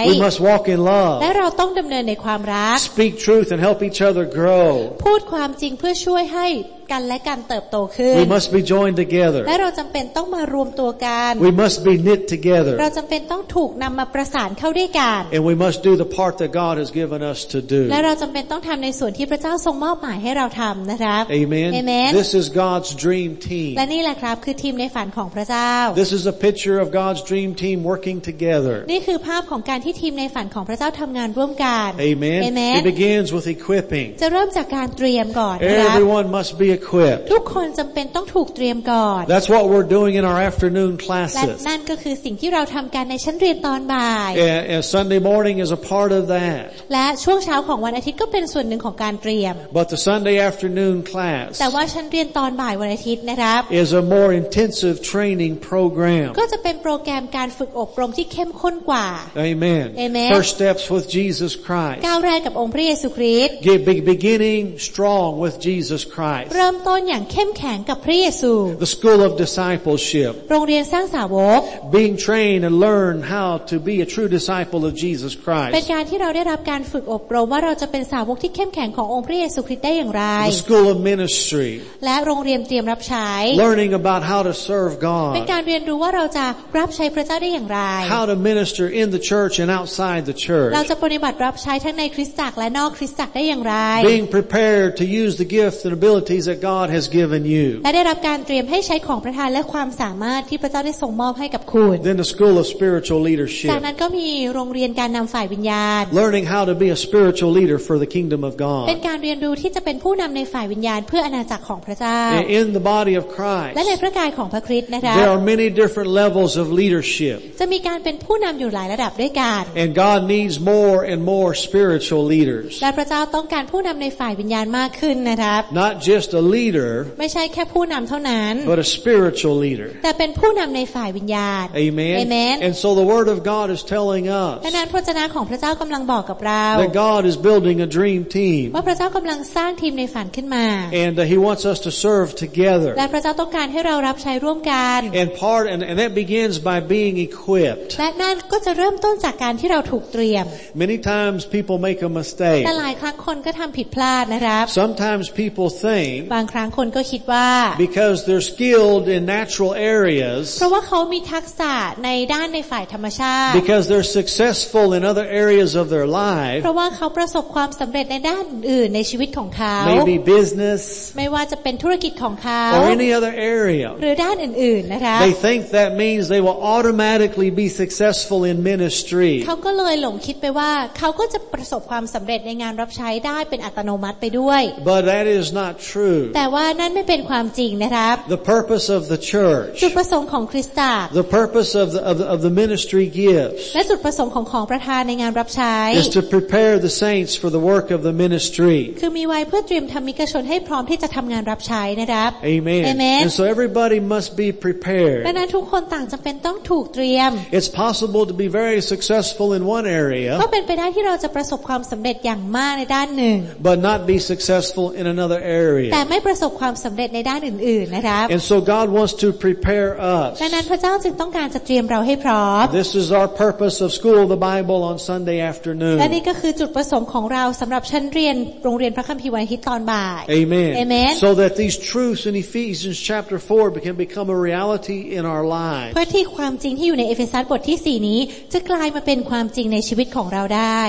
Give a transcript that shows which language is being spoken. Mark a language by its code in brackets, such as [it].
[en] We must walk in love. [th] และเราต้องดำเนินในความรัก [en] Speak truth and help each other grow. [th] พูดความจริงเพื่อช่วยให้กันและกันเติบโตขึ้น [en] We must be joined together. [th] และเราจำเป็นต้องมารวมตัวกัน [en] We must be knit together. [th] เราจำเป็นต้องถูกนำมาประสานเข้าด้วยกัน [en] And we must do the part that God has given us to do. [th] และเราจำเป็นต้องทำในส่วนที่พระเจ้าทรงมอบหมายให้เราทำนะครับ [en] Amen. Amen. This is God's dream team. [th] และนี่แหละครับคือทีมในฝันของพระเจ้า [en] This is a picture of God's dream team working together. [th] นี่คือภาพของการที่ทีมในฝันของพระเจ้าทำงานร่วมกัน [en] Amen. Amen. It begins with equipping. [th] จะเริ่มจากการเตรียมก่อนนะครับ [en] Everyone must be equipped. equipped. [th] ทุกคนจําเป็นต้องถูกเตรียมก่อน [en] That's what we're doing in our afternoon classes. [th] และนั่นก็คือสิ่งที่เราทํากันในชั้นเรียนตอนบ่าย [en] And Sunday morning is a part of that. [th] และช่วงเช้าของวันอาทิตย์ก็เป็นส่วนหนึ่งของการเตรียม [en] But the Sunday afternoon class. [th] แต่ว่าชั้นเรียนตอนบ่ายวันอาทิตย์นะครับ [en] is a more intensive training program. [th] ก็จะเป็นโปรแกรมการฝึกอบรมที่เข้มข้นกว่า [en] Amen. Amen. First steps with Jesus Christ. [th] ก้าวแรกกับองค์พระเยซูคริสต์ [en] Get beginning strong with Jesus Christ. [th] เริ่มต้นอย่างเข้มแข็งกับพระเยซู [en] The school of discipleship. [th] โรงเรียนสร้างสาวก [en] Being trained and learn how to be a true disciple of Jesus Christ. [th] เป็นการที่เราได้รับการฝึกอบรมว่าเราจะเป็นสาวกที่เข้มแข็งขององค์พระเยซูคริสต์ได้อย่างไร [en] The school of ministry. [th] และโรงเรียนเตรียมรับใช้ [en] Learning about how to serve God. [th] เป็นการเรียนรู้ว่าเราจะรับใช้พระเจ้าได้อย่างไร [en] How to minister in the church and outside the church. [th] เราจะปฏิบัติรับใช้ทั้งในคริสตจักรและนอกคริสตจักรได้อย่างไร [en] Being prepared to use the gifts and abilities that God has given you. [th] และได้รับการเตรียมให้ใช้ของประทานและความสามารถที่พระเจ้าได้ทรงมอบให้กับคุณ [en] Then the school of spiritual leadership. [th] จากนั้นก็มีโรงเรียนการนำฝ่ายวิญญาณ [en] Learning how to be a spiritual leader for the kingdom of God. [th] เป็นการเรียนรู้ที่จะเป็นผู้นำในฝ่ายวิญญาณเพื่ออาณาจักรของพระเจ้า [en] In the body of Christ. [th] และในพระกายของพระคริสต์นะคะ [en] There are many different levels of leadership. [th] จะมีการเป็นผู้นำอยู่หลายระดับด้วยกัน [en] And God needs more and more spiritual leaders. [th] และพระเจ้าต้องการผู้นำในฝ่ายวิญญาณมากขึ้นนะครับ [en] Not just a leader. [th] ไม่ใช่แค่ผู้นำเท่านั้น [en] But a spiritual leader. [th] แต่เป็นผู้นำในฝ่ายวิญญาณ [en] Amen. Amen. And so the word of God is telling us. [th] ดังนั้นพระวจนะของพระเจ้ากำลังบอกกับเรา [en] That God is building a dream team. [th] ว่าพระเจ้ากำลังสร้างทีมในฝันขึ้นมา [en] And He wants us to serve together. [th] และพระเจ้าต้องการให้เรารับใช้ร่วมกัน [en] And part and that begins by being equipped. [th] และนั่นก็จะเริ่มต้นจากการที่เราถูกเตรียม [en] Many times people make a mistake. [th] แต่หลายครั้งคนก็ทำผิดพลาดนะครับ [en] Sometimes people think. [th] บางครั้งคนก็คิดว่า [en] Because they're skilled in natural areas. [th] เพราะว่าเขามีทักษะในด้านในฝ่ายธรรมชาติ [en] Because they're successful in other areas of their life. [th] เพราะว่าเขาประสบความสำเร็จในด้านอื่นในชีวิตของเขา [en] Maybe business. [th] ไม่ว่าจะเป็นธุรกิจของเขา [en] Or any other area. [th] หรือด้านอื่นๆนะครับ [en] They think that means they will automatically beSuccessful in ministry. [th] เขาก็เลยหลงคิดไปว่าเขาก็จะประสบความสำเร็จในงานรับใช้ได้เป็นอัตโนมัติไปด้วย [en] But that is not true. [th] แต่ว่านั่นไม่เป็นความจริงนะครับ [en] The purpose of the church. [th] จุดประสงค์ของคริสตจักร [en] The purpose of the ministry gifts. [th] และจุดประสงค์ของของประทานในงานรับใช้ [en] Is to prepare the saints for the work of the ministry. [th] คือมีไว้เพื่อเตรียมธรรมิกชนให้พร้อมที่จะทำงานรับใช้นะครับ [en] Amen. Amen. And so everybody must be prepared. [th] ดังนั้นทุกคนต่างจำเป็นต้องถูกเตรียม [en] It's possible to be very successful in one area. [th] ก็เป็นไปได้ที่เราจะประสบความสำเร็จอย่างมากในด้านหนึ่ง [en] But not be successful in another area. [th] แต่ไม่ประสบความสำเร็จในด้านอื่นๆนะครับ [en] And so God wants to prepare us. [th] ดังนั้นพระเจ้าจึงต้องการจะเตรียมเราให้พร้อม [en] This is our purpose of school the Bible on Sunday afternoon. [th] และนี่ก็คือจุดประสงค์ของเราสำหรับชั้นเรียนโรงเรียนพระคัมภีร์วันอาทิตย์ตอนบ่าย [en] Amen. Amen. So that these truths in Ephesians chapter 4 can become a reality in our lives. [th] เพื่อที่ความจริงที่อยู่ในเอเฟซัสบทที่4นี้จะกลายมาเป็นความจริงในชีวิตของเราได